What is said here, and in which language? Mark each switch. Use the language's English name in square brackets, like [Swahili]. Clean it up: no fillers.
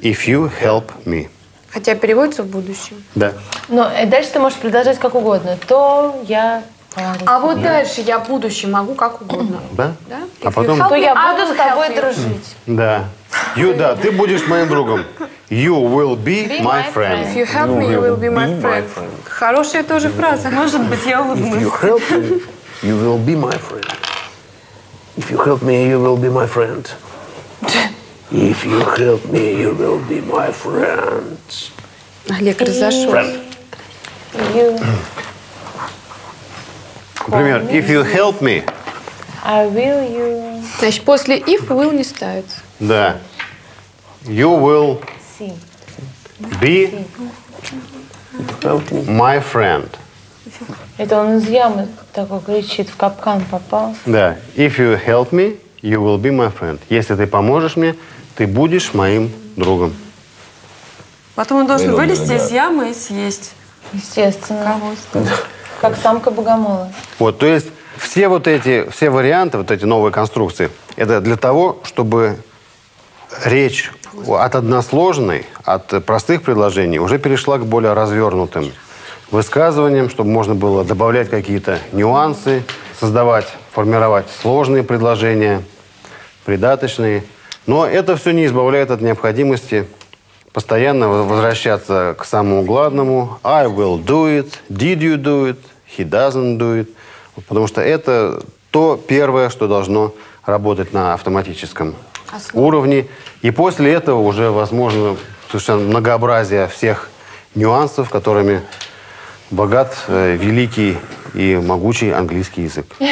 [English] If you help me. [Russian] Хотя переводится в будущем. Да. Но дальше ты можешь продолжать как угодно. То я... А вот да. Дальше я будущее могу как угодно. Да? Да? А потом... То я буду с тобой дружить. Да. You, да, ты будешь моим другом. [English] You will be my friend. If you help me, you will be my friend. [Russian] Хорошая тоже фраза. Может быть, я улыбнусь. [English] If you help me, you will be my friend. If you help me, you will be my friend. If you help me, you will be my friend. [Russian] Олег разошелся. Например, [English] if you help me. I will you. [Russian] Значит, после if will не ставится. Да. [English] You will see. Be see. My friend. [Russian] Это он из ямы такой кричит, в капкан попал. Да. [English] If you help me, you will be my friend. [Russian] Если ты поможешь мне, ты будешь моим другом. Потом он должен вылезти из ямы и съесть. Естественно. Как самка богомола. Вот, то есть все вот эти, все варианты, вот эти новые конструкции, это для того, чтобы речь от односложной, от простых предложений уже перешла к более развернутым высказываниям, чтобы можно было добавлять какие-то нюансы, создавать, формировать сложные предложения, придаточные. Но это все не избавляет от необходимости постоянно возвращаться к самому главному. [English] I will do it, did you do it, he doesn't do it. [Russian] Потому что это то первое, что должно работать на автоматическом уровне. И после этого уже возможно совершенно многообразие всех нюансов, которыми богат великий и могучий английский язык.